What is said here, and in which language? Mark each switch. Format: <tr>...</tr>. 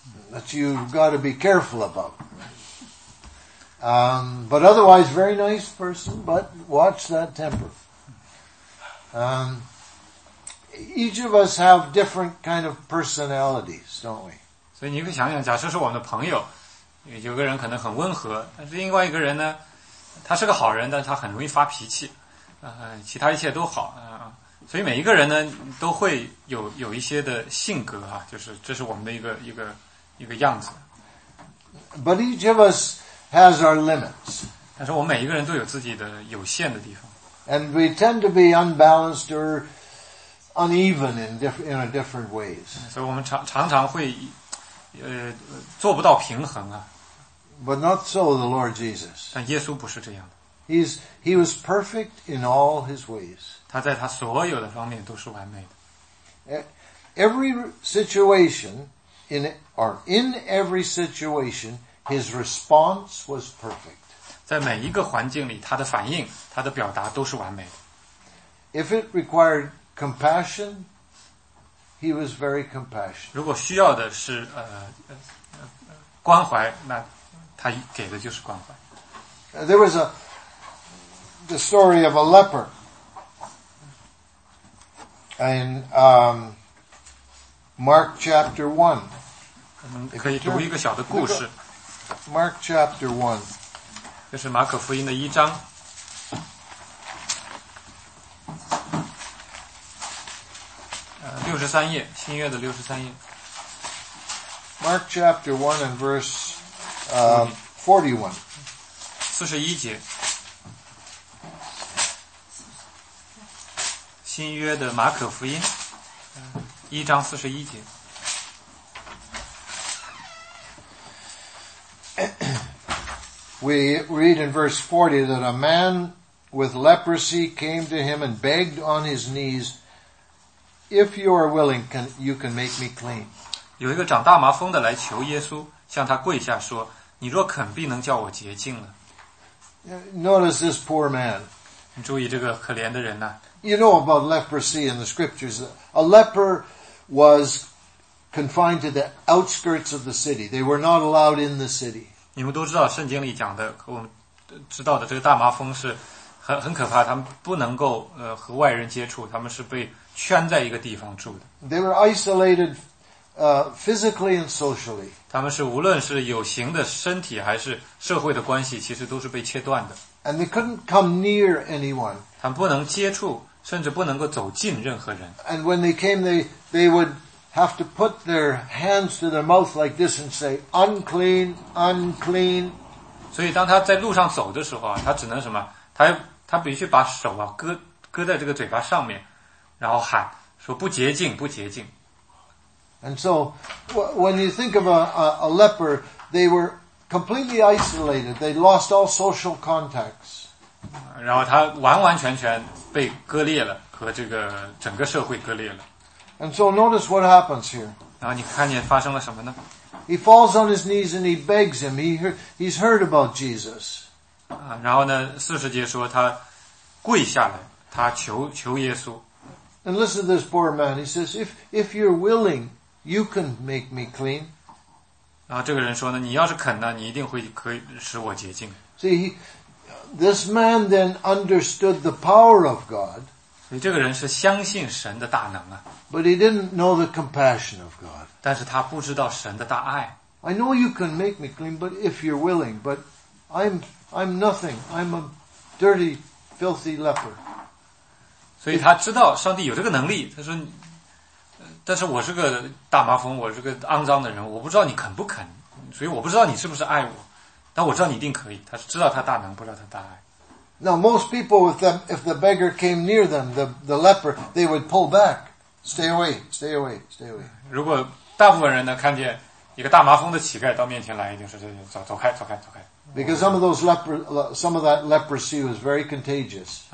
<en>That you've got to be careful about. But otherwise, very nice person, but watch that temper. Each of us have different kind of personalities, don't we?</en> <zh>所以你可以想想，假设是我们的朋友，有个人可能很温和，但是另外一个人呢，他是个好人，但是他很容易发脾气。其他一切都好，所以每一个人呢都会有一些的性格啊，就是这是我们的一个样子。</zh> <en>But each of us has our limits.</en> <zh>但是我们每一个人都有自己的有限的地方。</zh> <en>And we tend to be unbalanced or uneven in different ways.</en> <zh>所以我们常常会做不到平衡啊。</zh> <en>But not so the Lord Jesus.</en> <zh>但耶稣不是这样的。</zh> <en>He was perfect in all his ways.</en> <zh>他在他所有的方面都是完美的。</zh> <en>Every situation in every situation, his response was perfect.</en> <zh>在每一个环境里，他的反应、他的表达都是完美的。</zh> <en>If it required compassion, he was very compassionate.</en> <zh>如果需要的是关怀，那他给的就是关怀。</zh> <en>There was the story of a leper in Mark chapter 1.</en> <zh>可以读一个小的故事。</zh> <en>Mark chapter 1.</en> <zh>这是马可福音的一章。 63页，新约的63页。</zh> <en>Mark chapter 1 and verse 41.</en> <zh>41节。新约的马可福音一章四十一节。</zh> <en>We read in verse 40 that a man with leprosy came to him and begged on his knees, if you are willing, you can make me clean.</en> <zh>有一个长大麻风的来求耶稣，向他跪下说，你若肯必能叫我洁净了。</zh> <en>Notice this poor man.</en> <zh>你注意这个可怜的人呢、啊。</zh> <en>You know about leprosy in the scriptures. A leper was confined to the outskirts of the city. They were not allowed in the city.</en> <zh>你们都知道圣经里讲的，我们知道的这个大麻风是很可怕，他们不能够和外人接触，他们是被圈在一个地方住的。</zh> <en>They were isolated physically and socially.</en> <zh>他们是无论是有形的身体还是社会的关系，其实都是被切断的。</zh> <en>And they couldn't come near anyone.</en> <zh>他们不能接触，甚至不能够走近任何人。</zh> <en>And when they came, they would have to put their hands to their mouth like this and say, unclean, unclean.</en> <zh>所以当他在路上走的时候啊，他只能什么？他必须把手啊搁在这个嘴巴上面，然后喊说不洁净，不洁净。</zh> <en>And so, when you think of a leper, they were completely isolated. They lost all social contacts.</en> <zh>然后他完完全全被割裂了，和这个整个社会割裂了。</zh> <en>And so notice what happens here.</en> <zh>然后你看见发生了什么呢？</zh> <en>He falls on his knees and he begs him. He's heard about Jesus.</en> <zh>然后呢，四十节说他跪下来，他求耶稣。</zh> <en>And listen to this poor man. He says, if you're willing, you can make me clean.</en> <zh>然后这个人说呢，你要是肯呢，你一定会可以使我洁净。</zh> <en>See, this man then understood the power of God.</en> <zh>所以这个人是相信神的大能啊。</zh> <en>But he didn't know the compassion of God.</en> <zh>但是他不知道神的大爱。</zh> <en>I know you can make me clean, but if you're willing, but I'm nothing. I'm a dirty, filthy leper.</en> <zh>所以他知道上帝有这个能力，他说。但是我是个大麻风，我是个肮脏的人，我不知道你肯不肯，所以我不知道你是不是爱我，但我知道你一定可以。他知道他大能，不知道他大爱。</zh> <en>Now most people, if the beggar came near them, the leper, they would pull back, stay away, stay away, stay away.</en> <zh>如果大部分人呢看见一个大麻风的乞丐到面前来，就是走开。</zh> <en>Because some of those leper, some of that leprosy was very contagious.</en>